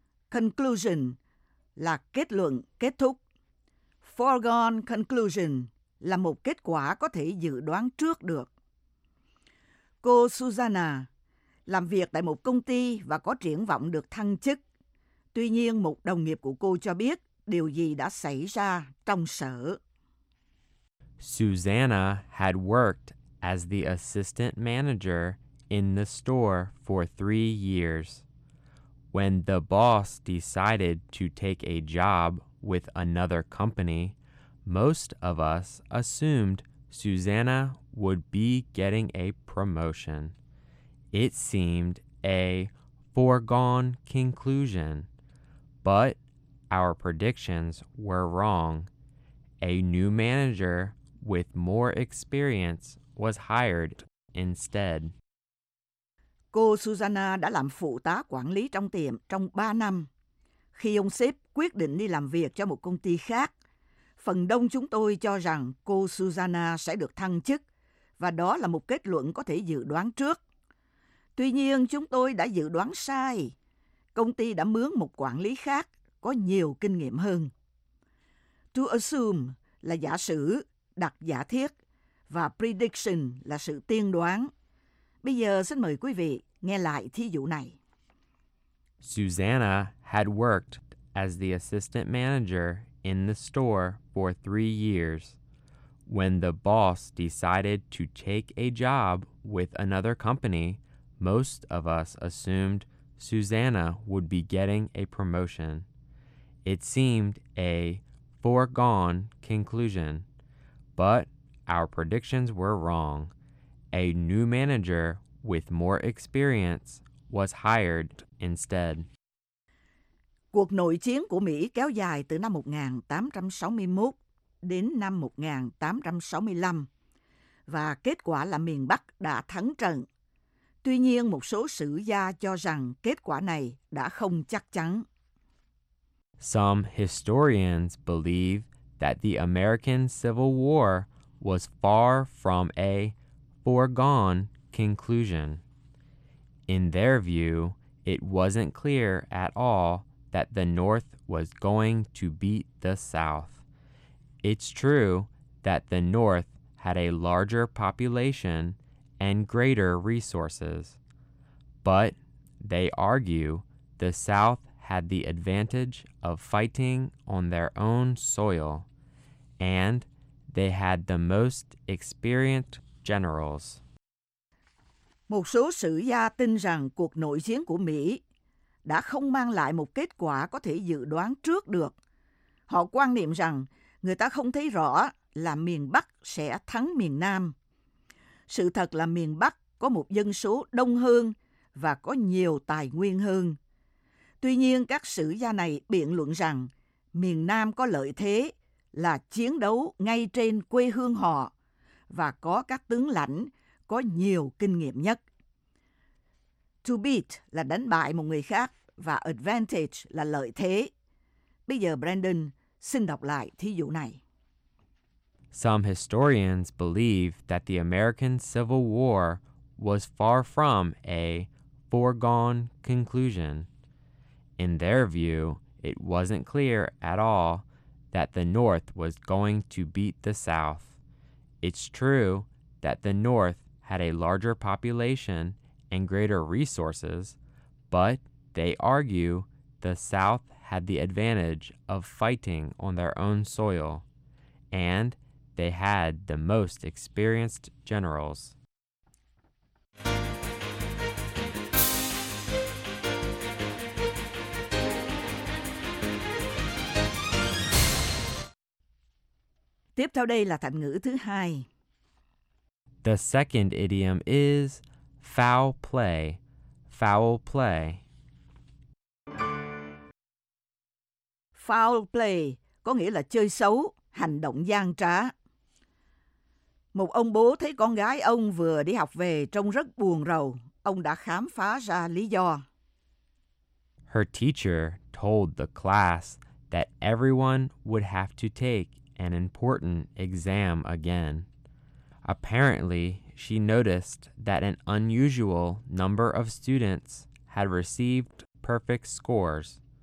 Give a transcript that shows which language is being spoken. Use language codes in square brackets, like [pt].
[vi] Conclusion là kết luận, kết thúc. [en] Foregone conclusion [vi] là một kết quả có thể dự đoán trước được. Cô Susanna làm việc tại một công ty và có triển vọng được thăng chức. Tuy nhiên, một đồng nghiệp của cô cho biết điều gì đã xảy ra trong sở. [en] Susanna had worked as the assistant manager in the store for 3 years. When the boss decided to take a job with another company, most of us assumed Susanna would be getting a promotion. It seemed a foregone conclusion, but our predictions were wrong. A new manager with more experience was hired instead. [vi] Cô Susanna đã làm phụ tá quản lý trong tiệm trong 3 năm. Khi ông sếp quyết định đi làm việc cho một công ty khác, phần đông chúng tôi cho rằng cô Susanna sẽ được thăng chức, và đó là một kết luận có thể dự đoán trước. Tuy nhiên, chúng tôi đã dự đoán sai. Công ty đã mướn một quản lý khác có nhiều kinh nghiệm hơn. [en] To assume [vi] là giả sử, đặt giả thiết, và prediction là sự tiên đoán. Bây giờ xin mời quý vị nghe lại thí dụ này. [en] Susanna had worked as the assistant manager in the store for 3 years. When the boss decided to take a job with another company, most of us assumed Susanna would be getting a promotion. It seemed a foregone conclusion, but our predictions were wrong. A new manager with more experience was hired instead. [vi] Cuộc nội chiến của Mỹ kéo dài từ năm 1861 đến năm 1865, và kết quả là miền Bắc đã thắng trận. Tuy nhiên, một số sử gia cho rằng kết quả này đã không chắc chắn. [en] Some historians believe that the American Civil War was far from a foregone conclusion. In their view, it wasn't clear at all that the North was going to beat the South. It's true that the North had a larger population and greater resources, but they argue the South had the advantage of fighting on their own soil, and they had the most experienced generals. [vi] Một số sử gia tin rằng cuộc nội chiến của Mỹ đã không mang lại một kết quả có thể dự đoán trước được. Họ quan niệm rằng người ta không thấy rõ là miền Bắc sẽ thắng miền Nam. Sự thật là miền Bắc có một dân số đông hơn và có nhiều tài nguyên hơn. Tuy nhiên, các sử gia này biện luận rằng miền Nam có lợi thế là chiến đấu ngay trên quê hương họ và có các tướng lãnh có nhiều kinh nghiệm nhất. [en] To beat [vi] là đánh bại một người khác và advantage là lợi thế. Bây giờ Brandon xin đọc lại thí dụ này. [en] Some historians believe that the American Civil War was far from a foregone conclusion. In their view, it wasn't clear at all that the North was going to beat the South. It's true that the North had a larger population and greater resources, but they argue the South had the advantage of fighting on their own soil, and they had the most experienced generals. [vi] Tiếp theo đây là thành ngữ thứ hai. [en] The second idiom is foul play, foul play. Foul play [vi] có nghĩa là chơi xấu, hành động gian trá. Một ông bố thấy con gái ông vừa đi học về trông rất buồn rầu, ông đã khám phá ra lý do. [en] Her teacher told the class that everyone would have to take an important exam again. Apparently, she noticed that an unusual number of students had received perfect scores.